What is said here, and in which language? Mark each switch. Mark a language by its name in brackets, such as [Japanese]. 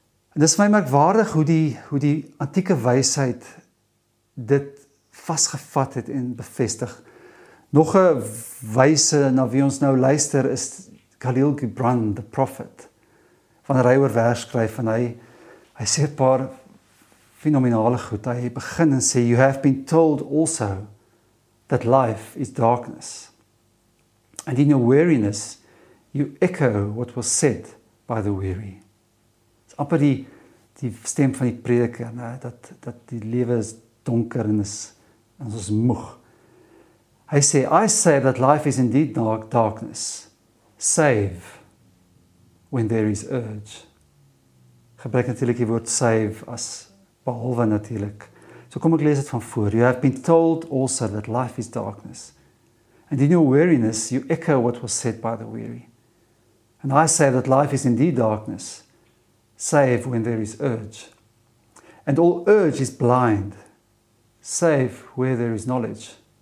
[Afrikaans] En dis my merkwaardig hoe die antieke wysheid dit vasgevat het en bevestig. Nog 'n wyse na wie ons nou luister is Khalil Gibran, the prophet, van hy oor vers skryf en hy sê 'n paar fenomenale goed. Hy begin en sê, [English] you have been told also that life is darkness. And in your weariness, you echo what was said by the weary. [Afrikaans] Het is amper die stem van die prediker, nou, dat die lewe is donker en is ons is moeg. Hy sê, [English] I say that life is indeed darkness, save when there is urge. [Afrikaans] Gebruik natuurlijk die woord save as behalwe natuurlijk. So kom ek lees het van voor. [English] You have been told also that life is darkness. And in your weariness, you echo what was said by the weary. And I say that life is indeed darkness, save when there is urge. And all urge is blind, save where there is knowledge.